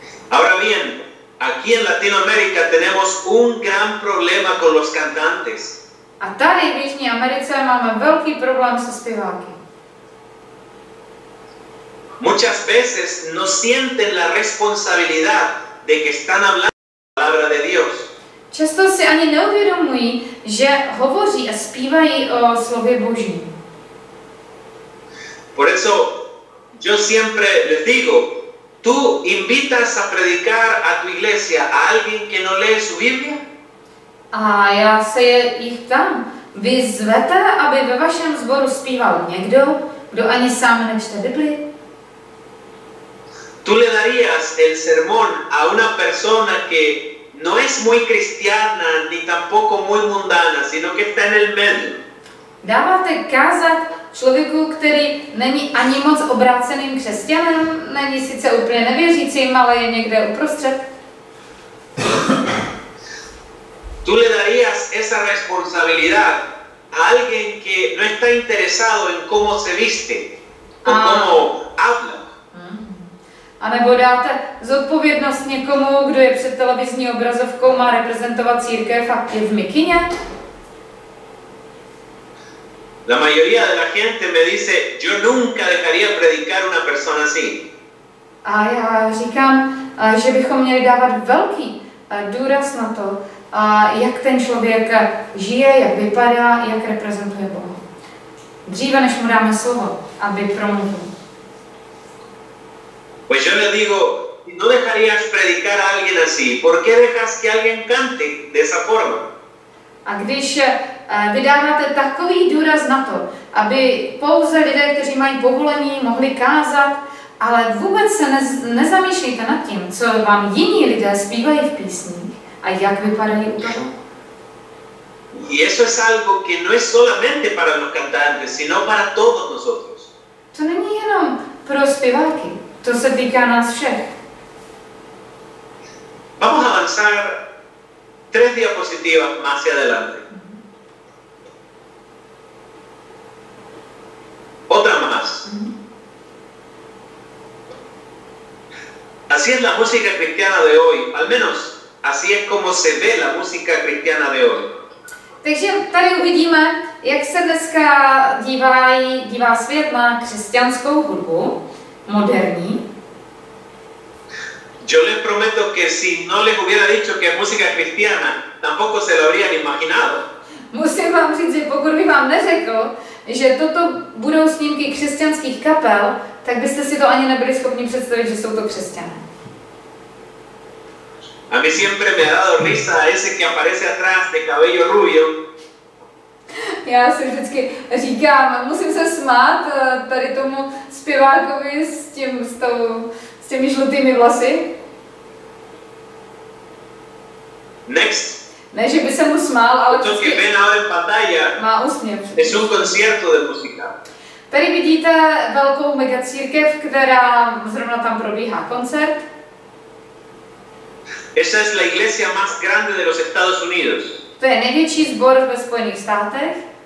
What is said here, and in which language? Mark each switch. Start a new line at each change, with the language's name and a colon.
Spanish: Ahora bien, aquí en Latinoamérica tenemos un gran problema con los cantantes.
Czech: A tady v Jižní Americe máme velký problém se zpěváky.
Spanish: Muchas veces no sienten la responsabilidad de que están hablando la palabra de Dios.
Czech: Často si ani neuvědomují, že hovoří a zpívají o slově Boží.
Spanish: Por eso yo siempre les digo, tú invitas a predicar a tu iglesia a alguien que no lee su Biblia?
Czech: A já se jich ptám, vy zvete, aby ve vašem sboru zpíval někdo, kdo ani sám nečte Bibli?
Spanish: Tú le darías el sermón a una persona que no es muy cristiana ni tampoco muy mundana, sino que está en el medio.
Czech: Dáváte kázat člověku, který není ani moc obráceným křesťanem, není sice úplně nevěřícím, ale je někde uprostřed.
Spanish: Tú le darías esa responsabilidad a alguien que no está interesado en cómo se viste o cómo habla.
Czech: A nebo dáte zodpovědnost někomu, kdo je před televizní obrazovkou, má reprezentovat církev a je v mikině?
Spanish: La mayoría de la gente me dice, yo nunca dejaría predicar una persona así.
Czech: A já říkám, že bychom měli dávat velký důraz na to, jak ten člověk žije, jak vypadá, jak reprezentuje Boha. Dříve než mu dáme slovo, aby promluvil.
Spanish: Pues yo le digo, no dejarías predicar a alguien así, ¿por qué dejas que alguien cante de esa forma?
Czech: A když vydáváte takový důraz na to, aby pouze lidé, kteří mají povolení, mohli kázat, ale vůbec se nezamýšlejte nad tím, co vám jiní lidé zpívají v písních a jak vypadají u toho.
Spanish: Y eso es algo que no es solamente para los cantantes, sino para todos nosotros.
Czech: To není jenom pro zpěváky, to se týká nás všech.
Spanish: Vamos a avanzar tres diapositivas más hacia adelante. Otra más. Así es la música cristiana de hoy, al menos así es como se ve la música cristiana de hoy.
Czech: Takže tady uvidíme, jak se dneska dívá svět na křesťanskou hudbu, moderní.
Spanish: Yo les prometo que si no les hubiera dicho que es música cristiana, tampoco se lo habrían imaginado.
Czech: Musím vám říct, že pokud by vám neřekl, že toto budou snímky křesťanských kapel, tak byste si to ani nebyli schopni představit, že jsou to křesťané.
Spanish: A mi siempre me ha dado risa ese que aparece atrás de cabello rubio.
Czech: Já si vždycky říkám, musím se smát tady tomu zpěvákovi s těmi žlutými vlasy.
English: Next.
Czech: Ne, že by se mu smál, ale to, co vidíte
Spanish: na pantalla, je un concierto de música.
Czech: Tady vidíte velkou megacírkev, která zrovna tam probíhá koncert.
Spanish: Esa es la iglesia más grande de los Estados Unidos.
Czech: To je největší sbor ve Spojených státech.